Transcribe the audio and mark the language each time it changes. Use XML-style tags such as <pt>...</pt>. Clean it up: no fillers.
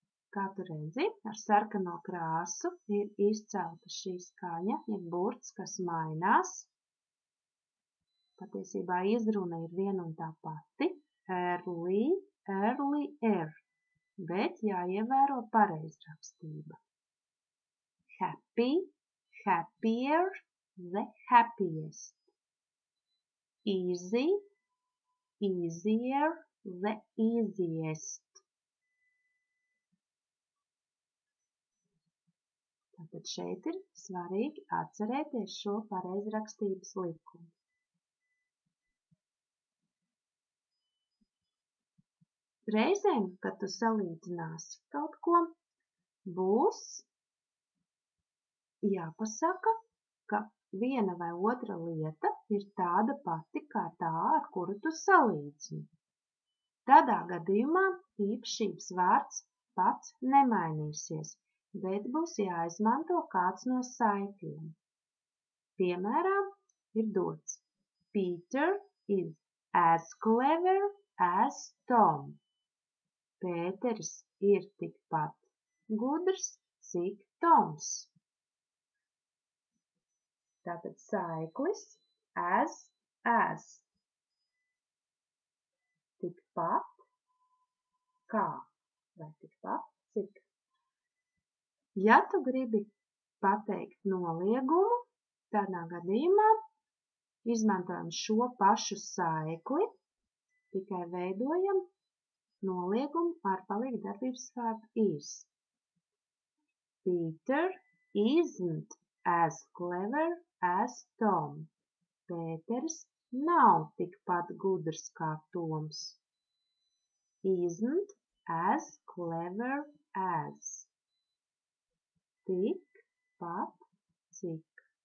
<lv>Kā tu redzi, ar sarkano krāsu ir izcelta šī skaņa, ir burts, kas mainās. Patiesībā izruna ir viena un tā pati,</lv> <en>early, earlier,</en> <lv>bet jāievēro pareizrakstība.</lv> <en>Happy, happier, the happiest. Easy, easier, the easiest.</en> <lv>Tātad šeit ir svarīgi atcerēties šo pareizrakstības likumu. Reizēm, kad tu salīdzināsi kaut ko, būs jāpasaka, ka viena vai otra lieta ir tāda pati kā tā, ar kuru tu salīdzini. Tādā gadījumā īpašības vārds pats nemainīsies, bet būs jāizmanto kāds no saitiem. Piemēram, ir dots:</lv> <en>Peter is as clever as Tom.</en> <lv>Pēteris ir tikpat gudrs, cik Toms. Tātad saiklis as. Tikpat kā vai tikpat cik. Ja tu gribi pateikt noliegumu, tādā gadījumā izmantojam šo pašu saikli, tikai veidojam noliegumu ar palīgu darbības vārdu is.</lv> <en>Peter isn't as clever as Tom.</en> <lv>Pēters nav tikpat gudrs kā Toms.</lv> <en>Isn't as clever as.</en> <lv>Tik pat cik.</lv>